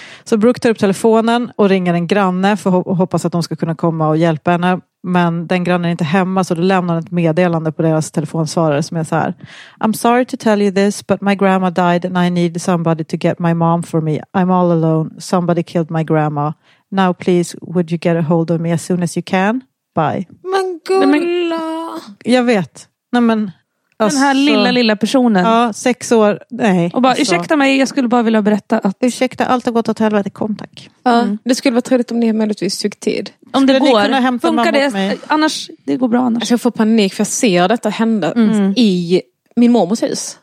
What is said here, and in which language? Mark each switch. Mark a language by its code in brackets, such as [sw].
[sv] Så Brooke tar upp telefonen och ringer en granne för att hoppas att de ska kunna komma och hjälpa henne. Men den grannen är inte hemma, så då lämnar ett meddelande på deras telefonsvarare som är så här: [en] I'm sorry to tell you this, but my grandma died and I need somebody to get my mom for me. I'm all alone. Somebody killed my grandma. Now please, would you get a hold of me as soon as you can? Bye. [sv] Men gulla! Jag vet. Nej, men, alltså, den här lilla personen. Ja, 6 år. Nej. Och bara, alltså, ursäkta mig, jag skulle bara vilja berätta att... Ursäkta, allt har gått åt helvete. Kom, tack. Ja, det skulle vara trevligt om ni möjligtvis tog tid. Om det går, funkar det? Annars, det går bra annars. Alltså, jag får panik för jag ser detta hända i min mormors hus.